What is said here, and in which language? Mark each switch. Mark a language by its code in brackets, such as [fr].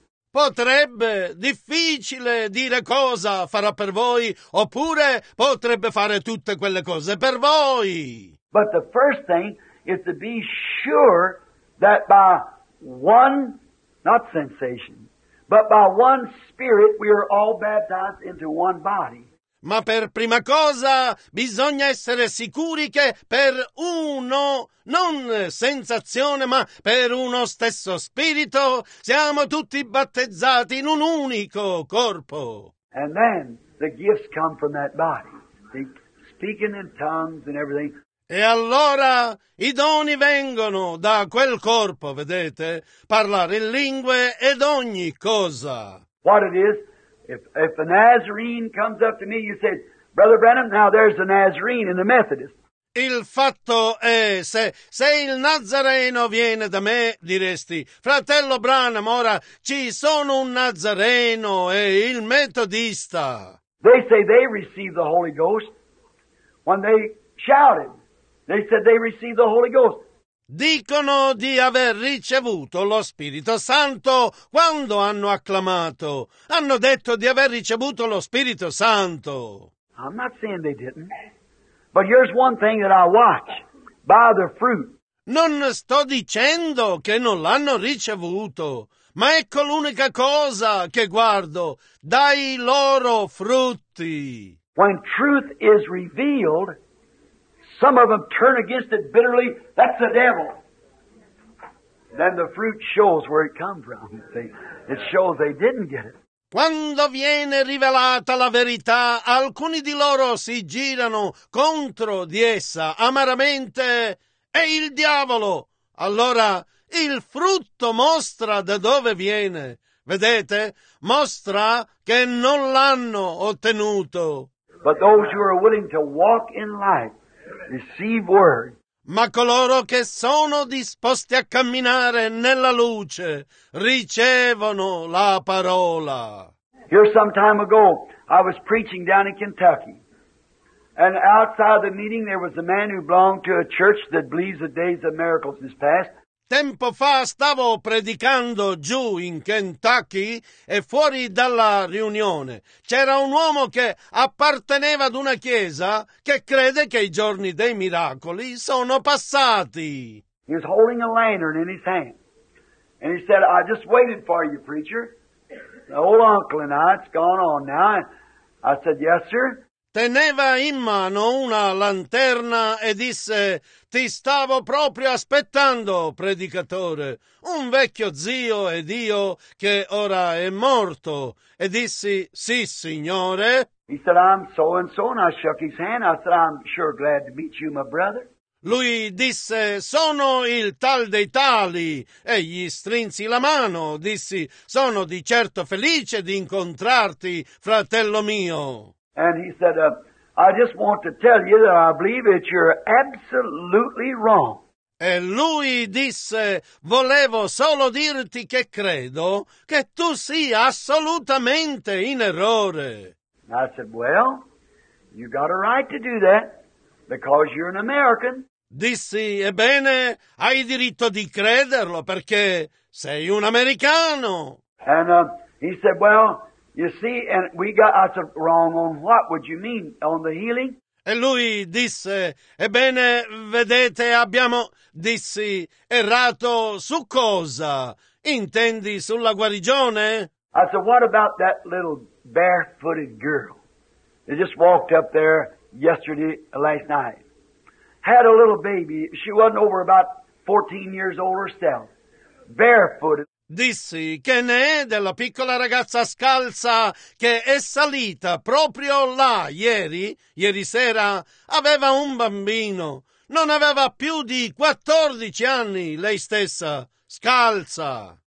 [it] Potrebbe, difficile dire cosa farà per voi, oppure potrebbe fare tutte quelle cose per voi. [en] But the first thing is to be sure that by one, not sensation, but by one spirit we are all baptized into one body. [it] Ma per prima cosa bisogna essere sicuri che per uno, non sensazione, ma per uno stesso spirito, siamo tutti battezzati in un unico corpo. [en] And then the gifts come from that body. Speaking in tongues and everything. [it] E allora i doni vengono da quel corpo, vedete? Parlare in lingue ed ogni cosa. [en] What it is? If a Nazarene comes up to me, you say, Brother Branham, now there's a Nazarene in the Methodist. [it] Il fatto è, se il Nazareno viene da me, diresti, Fratello Branham, ora ci sono un Nazareno e il Metodista. [en] They say they received the Holy Ghost when they shouted. They said they received the Holy Ghost. [it] Dicono di aver ricevuto lo Spirito Santo quando hanno acclamato. Hanno detto di aver ricevuto lo Spirito Santo. [en] I'm not saying they didn't. But here's one thing that I watch. By the fruit. [it] Non sto dicendo che non l'hanno ricevuto. Ma ecco l'unica cosa che guardo. Dai loro frutti. [en] When truth is revealed, some of them turn against it bitterly. That's the devil. Then the fruit shows where it comes from. It shows they didn't get it. [it] Quando viene rivelata la verità, alcuni di loro si girano contro di essa amaramente. È il diavolo. Allora il frutto mostra da dove viene. Vedete? Mostra che non l'hanno ottenuto. [en] But those who are willing to walk in light, receive word. [it] Ma coloro che sono disposti a camminare nella luce ricevono la parola. [en] Here some time ago I was preaching down in Kentucky, and outside the meeting there was a man who belonged to a church that believes the days of miracles is past. [it] Tempo fa stavo predicando giù in Kentucky e fuori dalla riunione c'era un uomo che apparteneva ad una chiesa che crede che i giorni dei miracoli sono passati. [en] He was holding a lantern in his hand and he said, I just waited for you, preacher. The old uncle and I, it's gone on now. I said, yes, sir. [it] Teneva in mano una lanterna e disse, ti stavo proprio aspettando, predicatore, un vecchio zio ed io che ora è morto. E dissi, sì, signore. [en] He said, I'm so and so, and I shook his hand. I said, I'm sure glad to meet you, my brother. [it] Lui disse, sono il tal dei tali. E gli strinsi la mano, dissi, sono di certo felice di incontrarti, fratello mio. [en] And he said, I just want to tell you that I believe that you're absolutely wrong. [it] E lui disse, volevo solo dirti che credo che tu sia assolutamente in errore. [en] And I said, well, you got a right to do that because you're an American. [it] Dissi, ebbene, hai diritto di crederlo perché sei un americano. [en] And he said, well, you see, and we got us wrong on what? Would you mean on the healing? [it] E lui disse, ebbene, vedete, abbiamo, dissi, errato su cosa? Intendi sulla guarigione? [en] I said, what about that little barefooted girl that just walked up there last night? Had a little baby. She wasn't over about 14 years old herself. Barefooted. [it] Dissi, che ne è della piccola ragazza scalza che è salita proprio là ieri sera, aveva un bambino, non aveva più di 14 anni lei stessa, scalza.